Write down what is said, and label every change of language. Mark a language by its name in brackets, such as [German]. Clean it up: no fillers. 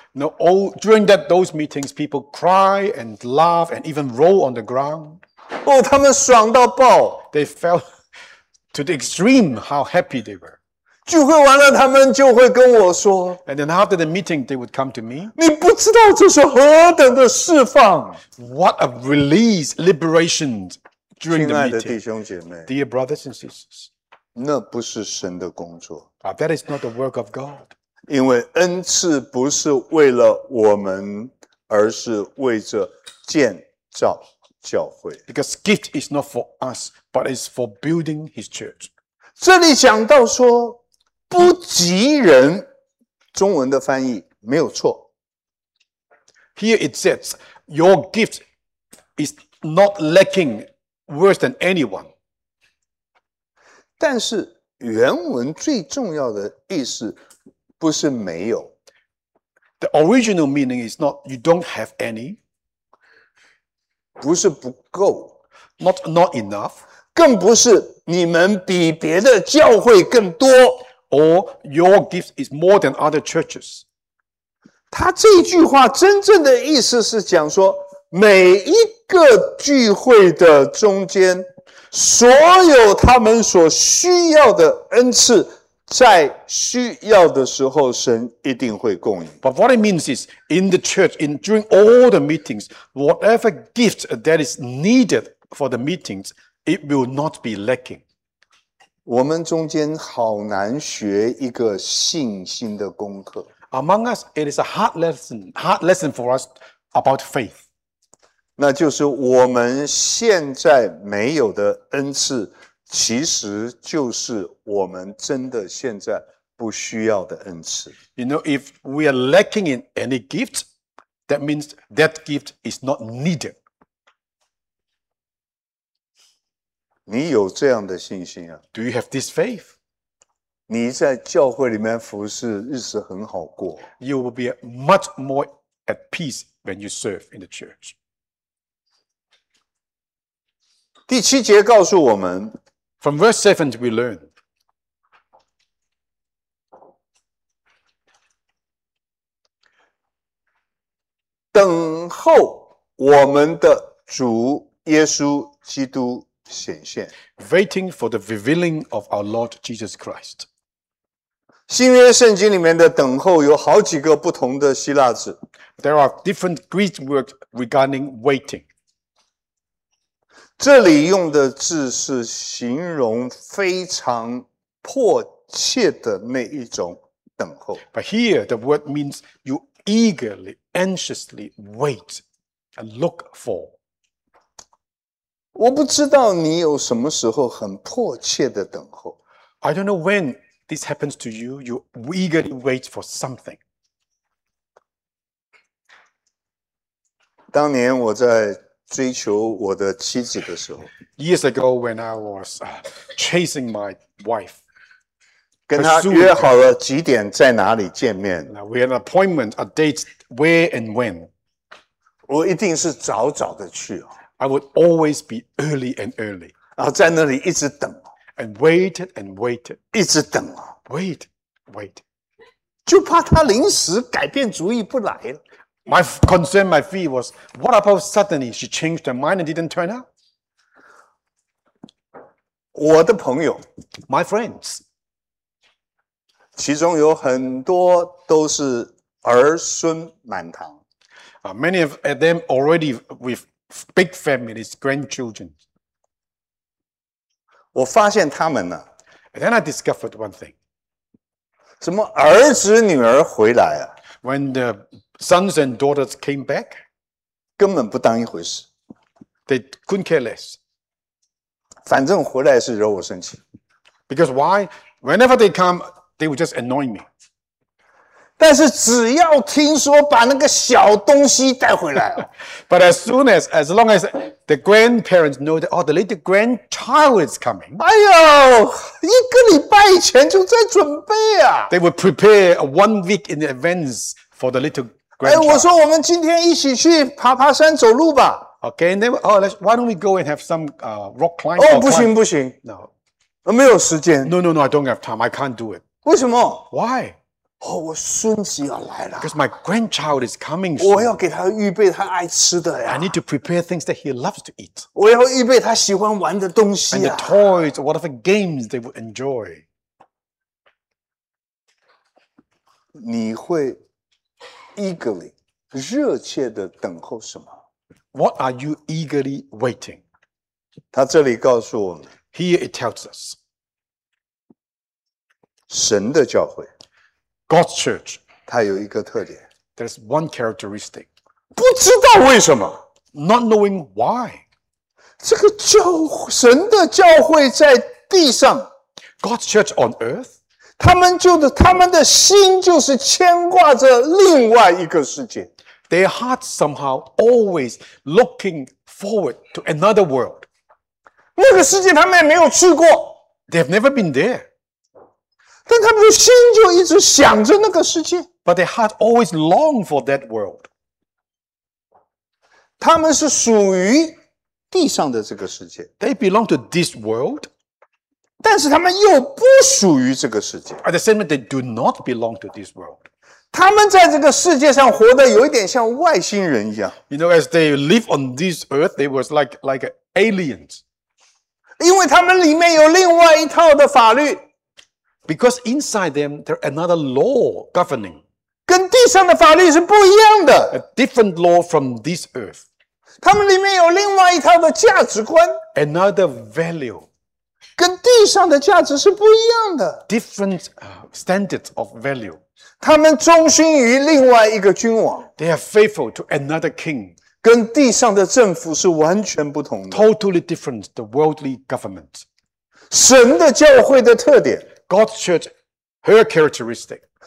[English] No, all during that those meetings, people cry and laugh and even roll on the ground. [Chinese] 哦，他们爽到爆。 [English] They felt to the extreme how happy they were. [Chinese] 聚会完了，他们就会跟我说。 [English] And then after the meeting, they would come to me. [Chinese] 你不知道这是何等的释放。 [English] What a release, liberation during the meeting. [Chinese] 亲爱的弟兄姐妹 [English] ，Dear brothers and sisters. [Chinese] 那不是神的工作。 [English] That is not the work of God. [Chinese] 因为恩赐不是为了我们，而是为着建造教会。 [English] Because gift is not for us, but is for building His church. [Chinese] 这里讲到说不及人，中文的翻译没有错。 [English] Here it says, your gift is not lacking worse than anyone. [Chinese] 但是原文最重要的意思不是没有。 [English] The original meaning is not you don't have any. [Chinese] 不是不够。 [English] Not enough. [Chinese] 更不是你们比别的教会更多。 [English] Or your gift is more than other churches. [Chinese] 他这句话真正的意思是讲说每一个聚会的中间所有他们所需要的恩赐在需要的时候神一定会供应。 [English] But what it means is, in the church, during all the meetings, whatever gift that is needed for the meetings, it will not be lacking. [Chinese] 我们中间好难学一个信心的功课。 [English] Among us, it is a hard lesson for us about faith. [Chinese] 那就是我们现在没有的恩赐，其实就是我们真的现在不需要的恩赐。 [English] You know, if we are lacking in any gift, that means that gift is not needed. [Chinese] 你有这样的信心啊？ [English] Do you have this faith? [Chinese] 你在教会里面服侍，日子很好过。 [English] You will be much more at peace when you serve in the church. [Chinese] 第七节告诉我们 [English] ，From verse 7 we learn， [Chinese] 等候我们的主耶稣基督显现 [English] ，Waiting for the revealing of our Lord Jesus Christ。 [Chinese] 新约圣经里面的等候有好几个不同的希腊字 [English] ，There are different Greek words regarding waiting。 [Chinese] 这里用的字是形容非常迫切的那一种等候。 [English] But here the word means you eagerly, anxiously wait and look for. [Chinese] 我不知道你有什么时候很迫切的等候。 [English] I don't know when this happens to you, you eagerly wait for something. [Chinese] 当年我在追求我的妻子的时候 [English] ，Years ago when I was chasing my wife， [Chinese] 跟她约好了几点在哪里见面。 [English] We had an appointment, a date, where and when。 [Chinese] 我一定是早早的去哦。 [English] I would always be early and early。 [Chinese] 然后在那里一直等。 [English] And waited and waited， [Chinese] 一直等啊。 [English] Wait, wait， [Chinese] 就怕她临时改变主意不来了。 [English] My concern, my fear was, what about suddenly she changed her mind and didn't turn up? [Chinese] 我的朋友 [English] my friends, [Chinese] 其中有很多都是儿孙满堂 [English] many of them already with big families, grandchildren. [Chinese] 我发现他们呢 [English] and then I discovered one thing. [Chinese] 怎么儿子女儿回来啊 [English] when thesons and daughters came back, [Chinese] 根本不当一回事。 [English] They couldn't care less. [Chinese] 反正回来是惹我生气。 [English] Because why? Whenever they come, they would just annoy me. [Chinese] 但是只要听说把那个小东西带回来了。 [English] But as long as the grandparents know that, oh, the little grandchild is coming. [Chinese] 哎呦，一个礼拜以前就在准备啊。 [English] They would prepare one week in advance for the little. [Chinese] 哎，我说我们今天一起去爬爬山走路吧。 [English] Okay, then oh, let's why don't we go and have some rock climbing? [Chinese] 哦，不行不行 [English] ，No, [Chinese] 没有时间。 [English] No, I don't have time. I can't do it. [Chinese] 为什么 [English] ？Why? [Chinese] 哦，我孙子要来了。 [English] Because my grandchild is coming. [Chinese] 我要给他预备他爱吃的呀。 [English] I need to prepare things that he loves to eat. [Chinese] 我要预备他喜欢玩的东西啊。 [English] And the toys, whatever games they would enjoy. [Chinese] 你会。 [English] Eagerly, [Chinese] 热切地等候什么 [English] ？What are you eagerly waiting? [Chinese] 他这里告诉我们 [English] ，Here it tells us， [Chinese] 神的教会 [English] ，God's church， [Chinese] 它有一个特点 [English] ，There's one characteristic， [Chinese] 不知道为什么 [English] ，Not knowing why， [Chinese] 这个神的教会在地上 [English] God's church on earth, [Chinese] 他们就是牵挂着另外一个世界。 [English] Their hearts somehow always looking forward to another world. [Chinese] 那个世界他们也没有去过。 [English] They've never been there. [Chinese] 但他们的心就一直想着那个世界。 [English] But their heart always long for that world. [Chinese] 他们是属于地上的这个世界。 [English] They belong to this world. [Chinese] 但是他们又不属于这个世界。 [English] At the same time, they do not belong to this world. [Chinese] 他们在这个世界上活得有一点像外星人一样。 [English] You know, as they live on this earth, they was like aliens. [Chinese] 因为他们里面有另外一套的法律。 [English] Because inside them, there's another law governing. [Chinese] 跟地上的法律是不一样的。 [English] A different law from this earth. [Chinese] 他们里面有另外一套的价值观。 [English] Another value. [Chinese] 跟地上的价值是不一样的。 [English] Different standards of value. [Chinese] 他们忠心于另外一个君王。 [English] They are faithful to another king. [Chinese] 跟地上的政府是完全不同的。 [English] Totally different, the worldly government. [Chinese] 神的教会的特点。 [English] God's church, her characteristic.